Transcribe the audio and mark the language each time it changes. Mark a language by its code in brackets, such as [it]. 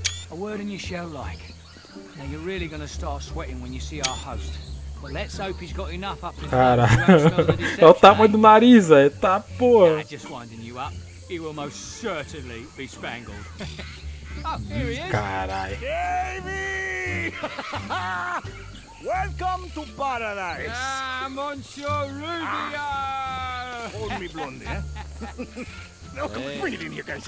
[en] A word in your shell like. Now you're really gonna start sweating when you see our host. But let's hope he's got enough up to [pt] cara. É o tamanho do nariz, é tá porra. [en] Yeah, just winding you up. He will most certainly be spangled. Oh, here he is. [pt] Caralho. [en] Welcome to paradise. Ah, Monsieur Rubio. Ah. Hold me blonde, eh? Oh, come hey. Bring it in here, guys.